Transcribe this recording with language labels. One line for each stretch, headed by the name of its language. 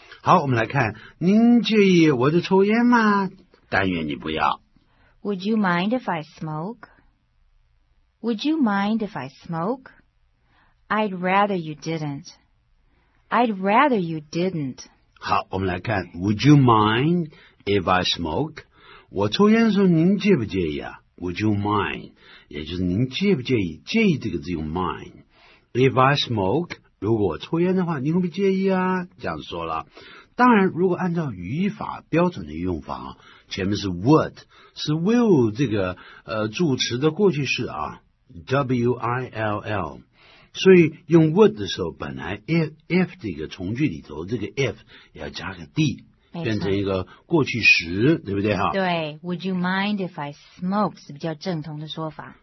Chinese: 好，我们来看，您介意我的抽烟吗？但愿你不要。
English: Would you mind if I smoke? Would you mind if I smoke? I'd rather you didn't. I'd rather you didn't.
Chinese: 好，我们来看
English: ,Would you mind if I smoke?
Chinese: 我抽烟的时候您介不介意啊 ?
English: Would you mind?
Chinese: 也就是您介不介意，介意这个字用 mind。
English: If I smoke,
Chinese: 如果我抽烟的话，你会不会介意啊？这样说了。当然，如果按照语法标准的用法，前面是 would， 是 will 这个助词的过去式啊 ，will。所以用 would 的时候，本来 if 这个从句里头，这个 if 要加个 d， 变成一个过去时，对不对哈？
English: 对 ，Would you mind if I smoke
Chinese: 是比较正统的说法。